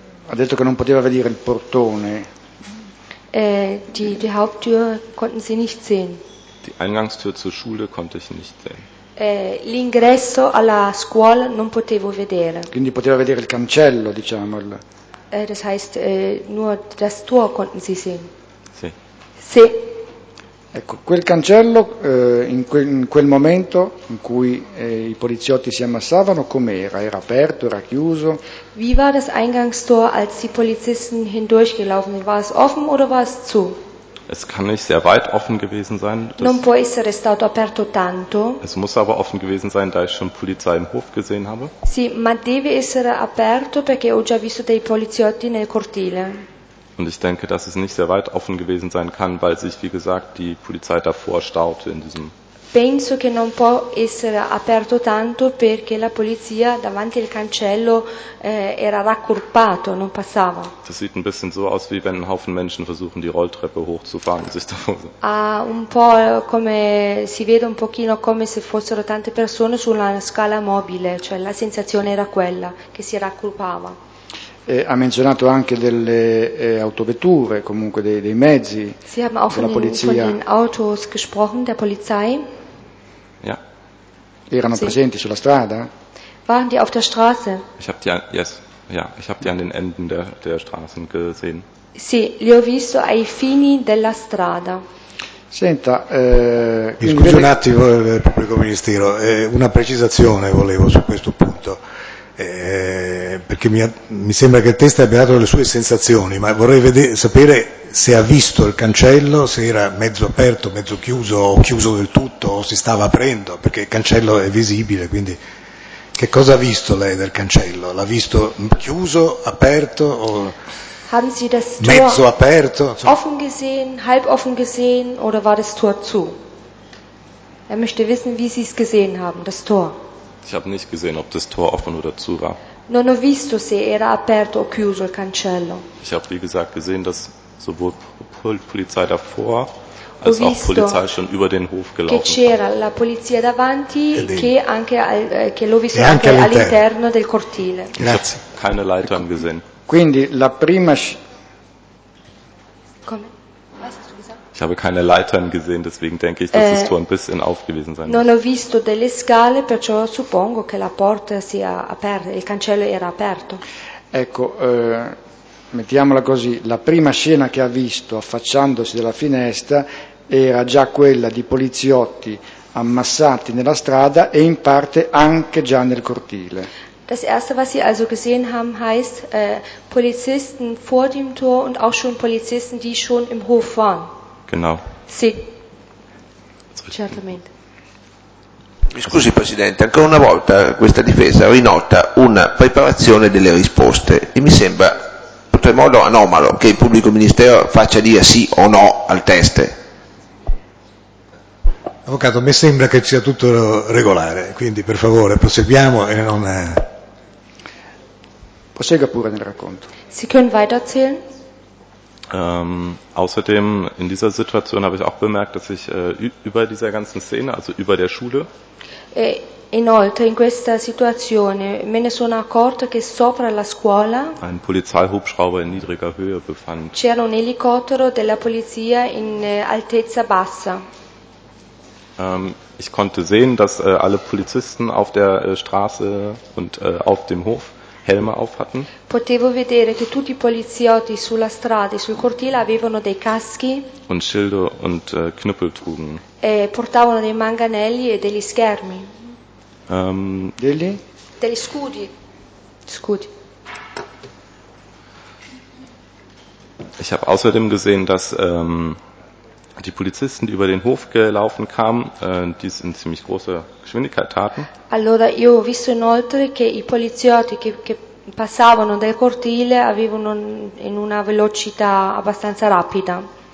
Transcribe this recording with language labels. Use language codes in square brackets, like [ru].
[it] Ha detto che non poteva vedere il portone. [de] Die Haupttür konnten sie nicht sehen. Die Eingangstür zur Schule konnte ich nicht sehen. [it] L'ingresso alla scuola non potevo vedere. Quindi poteva vedere il cancello, diciamo. [de] Das heißt, nur das Tor konnten Sie sehen. [it] Sì. Sì. Ecco, quel cancello in quel momento in cui i poliziotti si ammassavano, com'era? Era aperto, era chiuso? [de] Wie war das Eingangstor, als die Polizisten hindurchgelaufen sind? War es offen oder war es zu? Es kann nicht sehr weit offen gewesen sein. [it] Non può essere stato aperto tanto. [de] Es muss aber offen gewesen sein, da ich schon Polizei im Hof gesehen habe. [it] Sì, ma deve essere aperto perché ho già visto dei poliziotti nel cortile. [de] Und ich denke, dass es nicht sehr weit offen gewesen sein kann, weil sich, wie gesagt, die Polizei davor staute in diesem. [it] Penso che non può essere aperto tanto perché la polizia davanti al cancello era raccorpato, non passava. [de] Das sieht ein bisschen so aus, wie wenn ein Haufen Menschen versuchen, die Rolltreppe hochzufahren und sich davor. [it] Un po' come si vede un pochino come se fossero tante persone sulla scala mobile, cioè la sensazione era quella, che si raccorpava. Ha menzionato anche delle autovetture, comunque dei mezzi [de] Sie haben auch [it] della polizia. [de] Von den Autos gesprochen, der Polizei. Ja. [it] Erano Sie. Presenti sulla strada? [de] Waren die auf der Straße? Ich habe die, yes. Ja, ich hab die an den Enden der Straßen gesehen. Sì, li ho visto ai fini della strada. [it] Senta, scusi un attimo, pubblico ministero, una precisazione volevo su questo punto. Perché mi sembra che il testa abbia dato le sue sensazioni, ma vorrei sapere se ha visto il cancello, se era mezzo aperto, mezzo chiuso, o chiuso del tutto, o si stava aprendo, perché il cancello è visibile, quindi che cosa ha visto lei del cancello? L'ha visto chiuso, aperto, o [de] Haben Sie das Tor [it] mezzo aperto? Insomma. [de] Offen gesehen, halb offen gesehen, oder war das Tor zu? Er möchte wissen, wie Sie es gesehen haben, das Tor. Ich habe nicht gesehen, ob das Tor offen oder zu war. [it] Non ho visto se era aperto o chiuso il cancello. [de] Ich habe, wie gesagt, gesehen, dass sowohl Polizei davor als auch Polizei schon über den Hof gelaufen [it] che c'era [de] war. [it] La polizia davanti che anche che l'ho visto anche all'interno del cortile. Grazie. [de] Keine Leiter haben gesehen. [it] Quindi la prima Come? [de] Ich habe keine Leitern gesehen, deswegen denke ich, dass das Tor ein bisschen aufgewiesen sein [it] muss. Non ho visto delle scale, perciò suppongo che la porta sia aperta, il cancello era aperto. Ecco, mettiamola così, la prima scena che ha visto affacciandosi dalla finestra era già quella di poliziotti ammassati nella strada e in parte anche già nel cortile. [de] Das erste, was Sie also gesehen haben, heißt Polizisten vor dem Tor und auch schon Polizisten, die schon im Hof waren. Genau. [it] Sì. Certamente. Mi scusi Presidente, ancora una volta questa difesa rinota una preparazione delle risposte e mi sembra in qualche modo anomalo che il pubblico ministero faccia dire sì o no al test. Avvocato, mi sembra che sia tutto regolare, quindi per favore proseguiamo e non prosegua pure nel racconto. [de] Sie können weiterzählen. Außerdem in dieser Situation habe ich auch bemerkt, dass ich über dieser ganzen Szene, also über der Schule. [it] Inoltre in questa situazione me ne sono accorto che sopra la scuola [de] ein Polizeihubschrauber in niedriger Höhe befand. [it] C'era un elicottero della polizia in altezza bassa. [de] Ich konnte sehen, dass alle Polizisten auf der Straße und auf dem Hof Helme auf hatten. [it] Potevo vedere che tutti i poliziotti sulla strada e sul cortile avevano dei caschi [de] und Schilde und Knüppel trugen. [it] E portavano dei manganelli e degli schermi. Degli scudi. Scudi. [de] Ich habe außerdem gesehen, dass die Polizisten, die über den Hof gelaufen kamen, dies in ziemlich großer Geschwindigkeit taten. [it] Allora, io ho visto inoltre che i poliziotti che passavano dal cortile avevano in una velocità abbastanza rapida.